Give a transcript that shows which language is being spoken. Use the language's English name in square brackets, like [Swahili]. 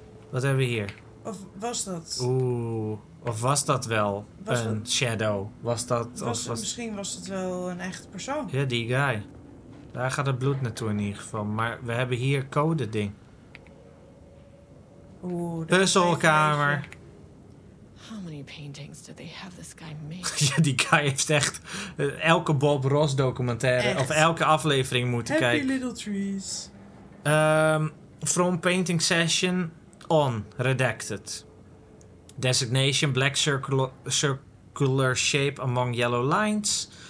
[Dutch] Wat hebben we hier? Of was dat? Of was dat wel een shadow? Was dat... Misschien was het wel een echte persoon. Ja, die guy. Daar gaat het bloed naartoe in ieder geval. Maar we hebben hier code ding. Puzzelkamer. [English] How many paintings did they have this guy make? [Dutch] Ja, die guy heeft echt elke Bob Ross documentaire echt? Of elke aflevering moeten [English] Happy [Dutch] kijken. [English] Happy Little Trees. From painting session on redacted. Designation black circular shape among yellow lines.